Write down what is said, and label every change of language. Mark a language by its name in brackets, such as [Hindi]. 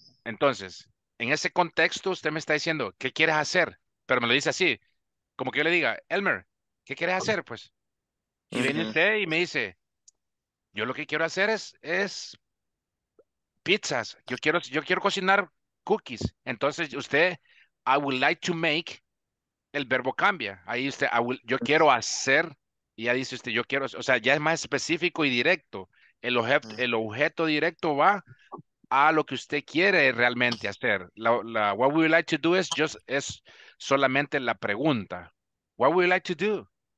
[Spanish] Entonces, en ese contexto, usted me está diciendo, ¿qué quieres hacer? Pero me lo dice así, como que yo le diga, Elmer, ¿qué quieres hacer, pues? Y mm-hmm. viene usted y me dice, yo lo que quiero hacer es pizzas. Yo quiero cocinar cookies. Entonces, usted, [English] I would like to make, [Spanish] el verbo cambia. Ahí usted, yo quiero hacer. Y ya dice usted, yo quiero, o sea, ya es más específico y directo. El objeto directo va a lo que usted quiere realmente hacer. [English] La what would you like to do [Spanish] es solamente la pregunta. [English] What would you like to do?